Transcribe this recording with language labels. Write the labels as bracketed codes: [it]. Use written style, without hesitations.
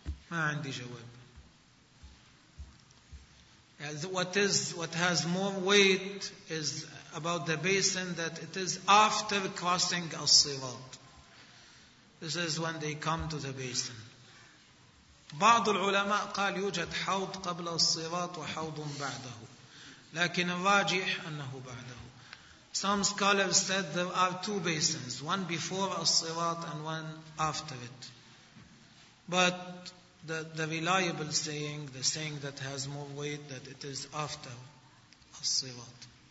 [ar] ما عندي جواب [en] what has more weight is about the basin that it is after crossing الصراط. This is when they come to the basin. [ar] بعض العلماء قال يوجد حوض قبل الصراط وحوض بعده. لكن الراجح أنه بعده. [en] Some scholars said there are two basins. One before الصراط and one after it. But the reliable saying, the saying that has more weight, that it is after الصراط.